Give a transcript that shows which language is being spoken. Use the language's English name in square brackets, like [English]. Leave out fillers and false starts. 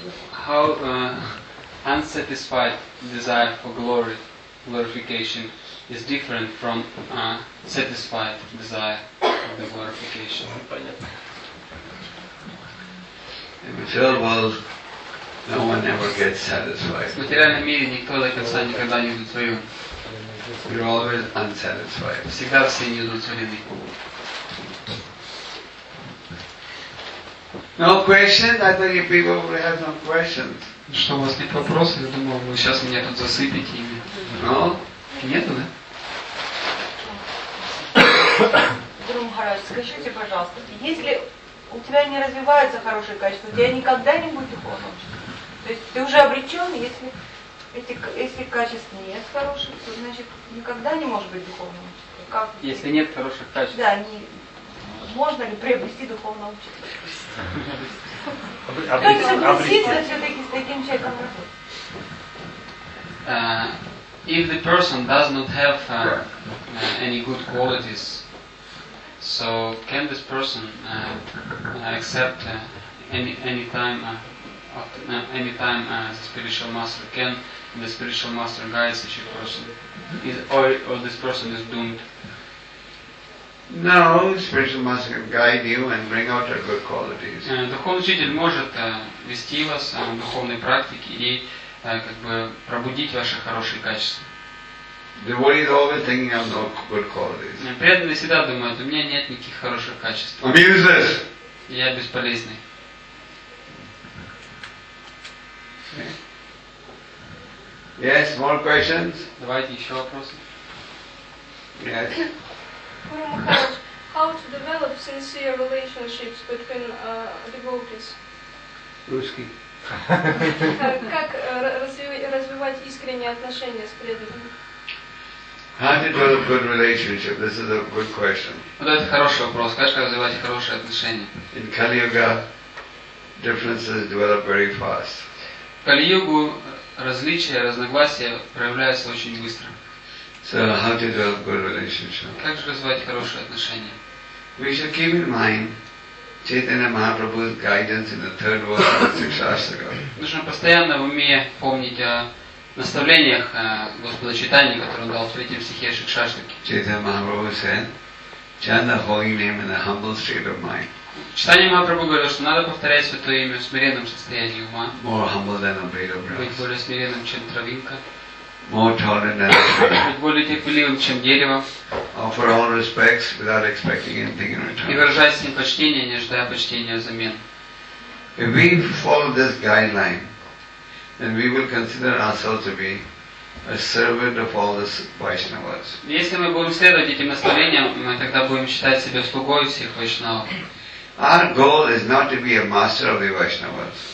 [English] How unsatisfied desire for glory, glorification, is different from satisfied desire for the glorification. In the material world, no one ever gets satisfied. [Russian] В материальном мире никто до конца никогда не удовлетворен. [English] You're always unsatisfied. [Russian] Всегда все не удовлетворены. [English] No questions? I thought you people would have some questions. [Russian] Что, у вас нет вопросов? Я думал, вы сейчас меня тут засыпите ими. [English] No? [Russian] Нету, да? Гуру Махарадж, скажите, пожалуйста, если у тебя не развиваются хорошие качества, у тебя никогда не будет духовного качества. То есть ты уже обречен, если качеств нет хороших, то значит никогда не может быть духовного качества. Как? Если нет хороших качеств. Да, не. Можно ли приобрести духовного учителя? Как согласиться все-таки с таким человеком работать? [English] If the person does not have any good qualities, so can this person accept any time the spiritual master? Can the spiritual master guide such a person? Or this person is doomed? No, spiritual master can guide you and bring out your good qualities. [Russian] Духовный учитель может вести вас в духовной практике и как бы пробудить ваши хорошие качества. [English] Devotees always thinking of no good qualities. [Russian] Преданные всегда думают, у меня нет никаких хороших качеств. [English] I'm useless. [Russian] Я бесполезный. [English] Okay. Yes, more questions? [Russian] Давайте еще вопросы. [English] Yes. Гуру Махарадж, how to develop sincere relationships between devotees? [Russian] Русский. Как развивать искренние отношения с преданными? [English] How to develop good relationship? This is a good question. [Russian] Вот это хороший вопрос. Как развивать хорошие отношения? [English] In Kali Yuga, differences develop very fast. [Russian] В Кали Югу различия, разногласия проявляются очень быстро. [English] So how to develop good relationship? [Russian] Как же развивать хорошие отношения? [English] We should keep in mind Chaitanya Mahaprabhu's guidance in the third verse of Shikshashtaka. [Russian] Нужно постоянно в уме помнить о наставлениях Господа Чайтаньи, которые он дал в третьем стихе Шикшаштаки. [English] Chaitanya Mahaprabhu said, chant the holy name in a humble state of mind. [Russian] Чайтанья Махапрабху говорил, что надо повторять Святое Имя в смиренном состоянии ума. [English] More humble than a blade of grass. [Russian] Быть более смиренным, чем травинка. [English] More tolerant than a tree. [Russian] Более терпеливым, чем дерево. [English] Offer all respects without expecting anything in return. [Russian] И выражать с ним почтение, не ожидая почтения взамен. [English] If we follow this guideline, then we will consider ourselves to be a servant of all the Vaishnavas. [Russian] Если мы будем следовать этим наставлениям, мы тогда будем считать себя слугой всех Вайшнавов. [English] Our goal is not to be a master of the Vaishnavas.